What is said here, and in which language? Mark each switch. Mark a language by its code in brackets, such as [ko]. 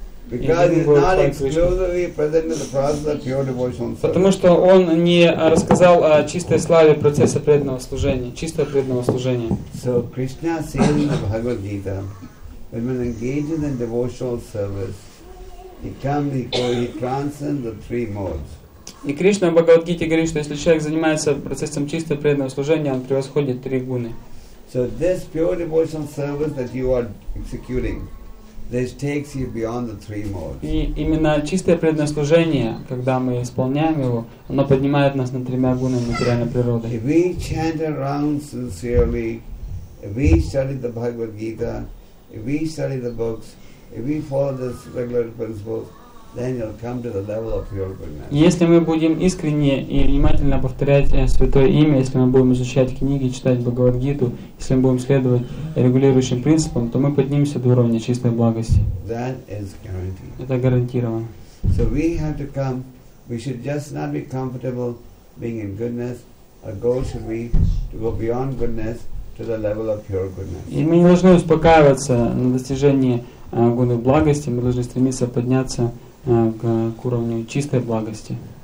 [en] Because he's not exclusively present in the process of pure devotional service. [ru] Потому что он не рассказал о чистой славе процесса преданного служения, чистого преданного служения. [en] So Krishna says in the Bhagavad Gita, when one engages in devotional service, he transcends the three modes. [ru] И Кришна в Бхагавад Гите говорит, что если человек занимается процессом чистого преданного служения, он превосходит три гуны. [en] So this pure devotional service that you are executing. This takes you beyond the three modes. [ru] И именно чистое преданное служение, когда мы исполняем его, оно поднимает нас над тремя гунами материальной природы. [en] If we chant around sincerely, if we study the Bhagavad Gita, if we study the books, if we follow the regular principles, then you'll come to the level of pure goodness. [ru] Если мы будем искренне и внимательно повторять Святое Имя, если мы будем изучать книги, читать Бхагавад-гиту, если мы будем следовать регулирующим принципам, то мы поднимемся до уровня чистой благости. [en] That is guaranteed. [ru] Это гарантировано. [en] So we have to come, we should just not be comfortable being in goodness. Our goal should be to go beyond goodness to the level of pure goodness. [ru] И мы не должны успокаиваться на достижении гуны благости, мы должны стремиться подняться к уровню чистой благости.